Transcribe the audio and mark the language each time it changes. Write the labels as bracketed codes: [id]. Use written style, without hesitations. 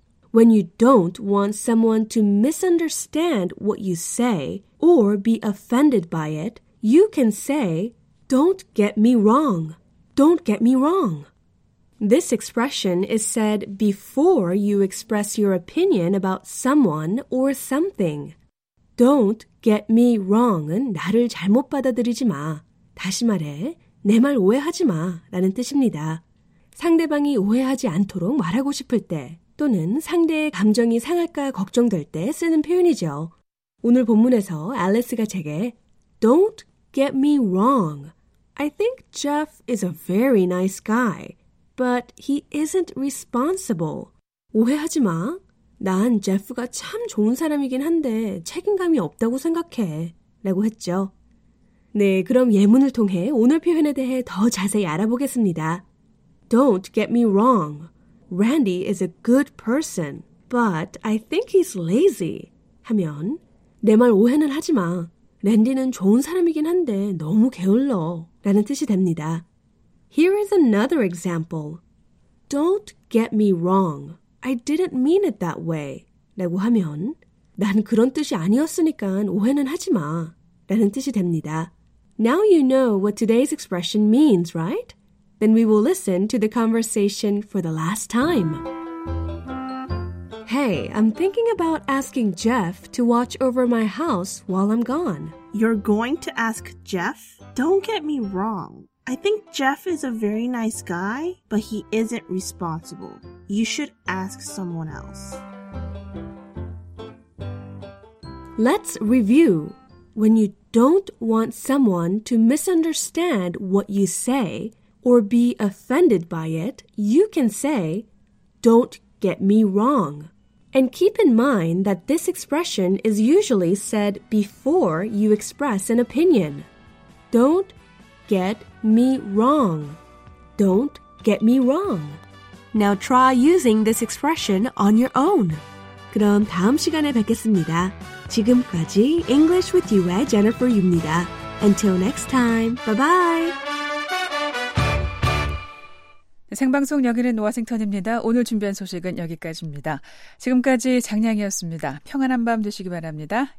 [en] When you don't want someone to misunderstand what you say or be offended by it, you can say, don't get me wrong. Don't get me wrong. This expression is said before you express your opinion about someone or something. Don't get me wrong [ko] 은 나를 잘못 받아들이지 마. 다시 말해, 내 말 오해하지 마 라는 뜻입니다. 상대방이 오해하지 않도록 말하고 싶을 때 또는 상대의 감정이 상할까 걱정될 때 쓰는 표현이죠. 오늘 본문에서 앨리스가 제게 [en] Don't get me wrong. I think Jeff is a very nice guy, but he isn't responsible. [ko] 오해하지 마. 난 제프가 참 좋은 사람이긴 한데 책임감이 없다고 생각해 라고 했죠. 네, 그럼 예문을 통해 오늘 표현에 대해 더 자세히 알아보겠습니다. [en] Don't get me wrong. Randy is a good person, but I think he's lazy. [ko] 하면 내 말 오해는 하지 마. 랜디는 좋은 사람이긴 한데 너무 게을러 라는 뜻이 됩니다. [en] Here is another example. Don't get me wrong. I didn't mean it that way. [ko] 라고 하면 난 그런 뜻이 아니었으니까 오해는 하지 마 라는 뜻이 됩니다. [en] Now you know what today's expression means, right? Then we will listen to the conversation for the last time. Hey, I'm thinking about asking Jeff to watch over my house while I'm gone. You're going to ask Jeff? Don't get me wrong. I think Jeff is a very nice guy, but he isn't responsible. You should ask someone else. Let's review. When you don't want someone to misunderstand what you say or be offended by it, you can say, "Don't get me wrong." And keep in mind that this expression is usually said before you express an opinion. Don't get me wrong. Don't get me wrong. Now try using this expression on your own. [ko] 그럼 다음 시간에 뵙겠습니다. 지금까지 English with UI 제니퍼입니다. [en] Until next time, bye-bye. [ko] 생방송 여기는 노아생턴입니다. 오늘 준비한 소식은 여기까지입니다. 지금까지 장량이었습니다. 평안한 밤 되시기 바랍니다.